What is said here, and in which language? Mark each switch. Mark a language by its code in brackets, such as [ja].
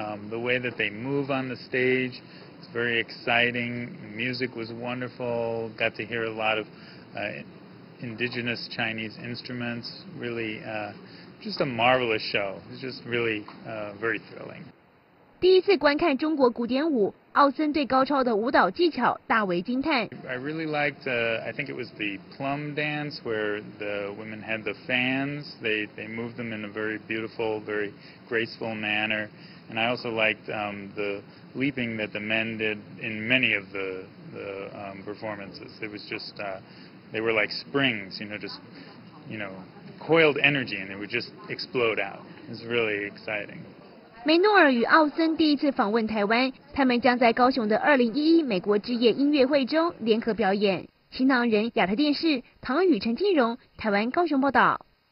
[en] The way that they move on the stage, it's very exciting. Music was wonderful. Got to hear a lot of indigenous Chinese instruments. Really. Just a marvelous show. It's just really very thrilling. [zh] 第一次观看中国古典舞，奥森对高超的舞蹈技巧大为惊叹。 [en] I really liked, I think it was the plum dance where the women had the fans. They moved them in a very beautiful, very graceful manner. And I also liked, the leaping that the men did in many of the performances. It was just, they were like springs, you know, just, you know, coiled energy, and they would just explode out. It was really exciting. [zh] 梅诺尔与奥森第一次访问台湾，他们将在高雄的2011美国之夜音乐会中联合表演。新唐人亚太电视唐宇陈庆荣台湾高雄报道。